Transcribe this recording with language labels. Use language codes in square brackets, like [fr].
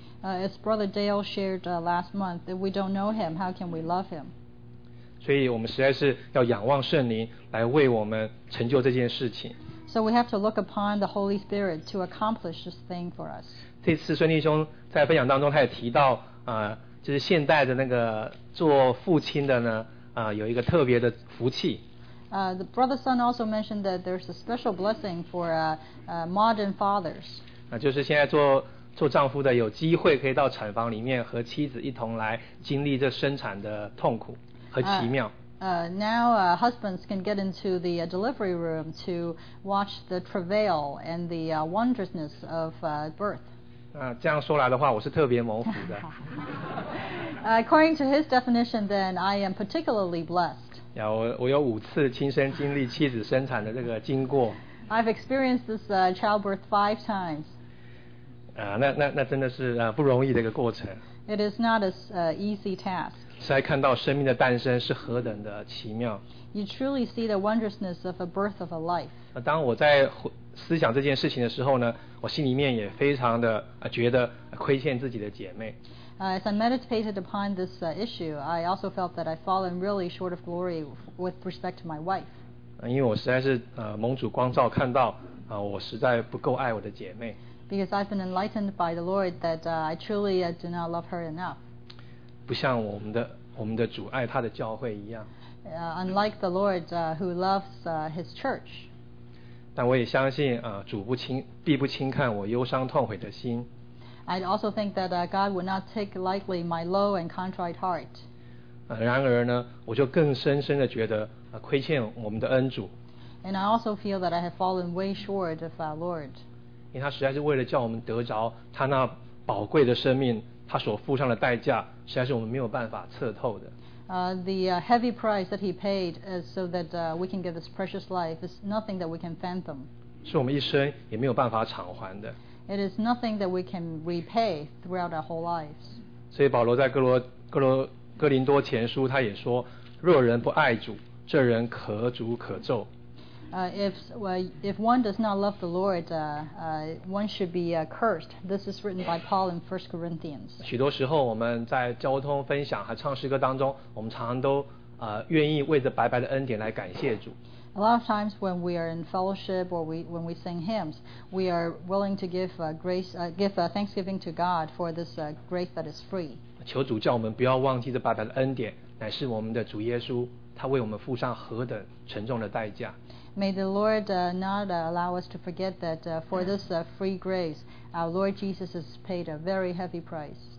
[en] As Brother Dale shared last month, if we don't know him, how can we love him? [zh] 所以我们实在是要仰望圣灵来为我们成就这件事情。 [en] So we have to look upon the Holy Spirit to accomplish this thing for us. [zh] 这次孙弟兄在分享当中他也提到就是现代的那个做父亲的呢有一个特别的福气。 [en] The Brother Sun also mentioned that there's a special blessing for modern fathers. [zh] 就是现在做丈夫的有机会可以到产房里面和妻子一同来经历这生产的痛苦和奇妙。 [en] Now husbands can get into the delivery room to watch the travail and the wondrousness of birth. [zh] 这样说来的话，我是特别蒙福的。 [en] According to his definition, then I am particularly blessed. [zh] 我有五次亲身经历妻子生产的这个经过。 [en] I've experienced this childbirth 5 times. [zh] 那真的是不容易的一个过程。 [en] It is not an easy task. [zh] 是来看到生命的诞生是何等的奇妙。 [en] You truly see the wondrousness of a birth of a life. [zh] 当我在思想这件事情的时候呢，我心里面也非常的觉得亏欠自己的姐妹。 [en] As I meditated upon this issue, I also felt that I've fallen really short of glory with respect to my wife. [zh] 因为我实在是蒙主光照看到我实在不够爱我的姐妹。 [en] Because I've been enlightened by the Lord that I truly do not love her enough. [zh] 不像我们的主爱他的教会一样。 [en] Unlike the Lord who loves his church. [zh] 但我也相信主必不轻看我忧伤痛悔的心。 [en] I also think that God would not take lightly my low and contrite heart. [zh] 然而呢，我就更深深的觉得亏欠我们的恩主。 [en] And I also feel that I have fallen way short of our Lord. [zh] 因为他实在是为了叫我们得着他那宝贵的生命，他所付上的代价实在是我们没有办法测透的。 [en] The heavy price that he paid is so that we can get this precious life is nothing that we can fathom. [zh] 是我们一生也没有办法偿还的。 [en] It is nothing that we can repay throughout our whole lives. [zh] 所以保罗在哥林多前书他也说，若人不爱主，这人可诅可咒。 [en] If one does not love the Lord, one should be cursed. This is written by Paul in 1 Corinthians. [zh] 许多时候我们在交通分享和唱诗歌当中，我们常常都愿意为着白白的恩典来感谢主。 [en] A lot of times when we are in fellowship or when we sing hymns, we are willing to give thanksgiving to God for this grace that is free. [zh] 求主叫我们不要忘记这白白的恩典，乃是我们的主耶稣，他为我们付上何等沉重的代价。 [en] May the Lord not allow us to forget that for this free grace, our Lord Jesus has paid a very heavy price.